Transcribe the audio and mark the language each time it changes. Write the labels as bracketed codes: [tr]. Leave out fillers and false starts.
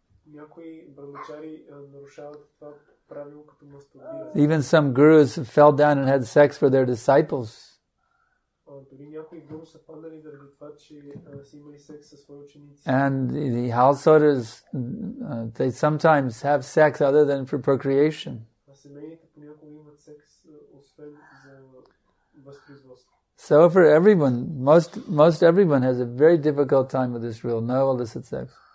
[bg] някои брамачари нарушават това правило като мастурбират. [en] Even some gurus fell down and had sex for their disciples. [bg] Дори някои гуру са паднали заради това, че са имали секс със свои ученици. [en] And the householders, they sometimes have sex other than for procreation. [bg] Семейните понякога имат секс освен за възпроизводство. [en] So for everyone, most everyone has a very difficult time with this rule, no illicit sex.